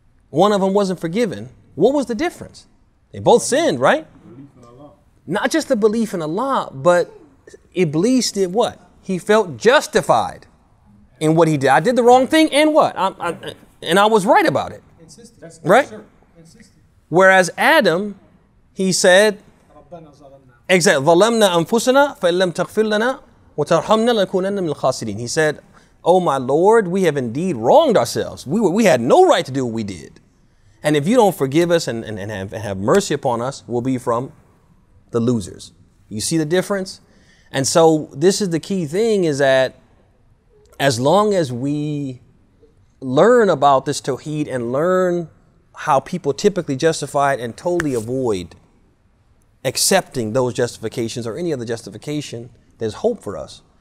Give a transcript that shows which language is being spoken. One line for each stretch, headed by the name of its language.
English: One of them wasn't forgiven. What was the difference? They both sinned, right? Not just the belief in Allah, but Iblis did what? He felt justified in what he did. I did the wrong thing, and what? I was right about it. Right? Whereas Adam, he said, exactly,
Arabic: ظَلَمْنَا أَنفُسَنَا فَإِنْ لَمْ تَغْفِرْ لَنَا وَتَرْحَمْنَا لَكُونَنَّ مِنْ الْخَاسِرِينَ.
English: He said, oh my Lord, we have indeed wronged ourselves. We had no right to do what we did. And if you don't forgive us and have mercy upon us, we'll be from the losers. You see the difference? And so this is the key thing, is that as long as we learn about this Tawheed and learn how people typically justify it and totally avoid accepting those justifications or any other justification, there's hope for us.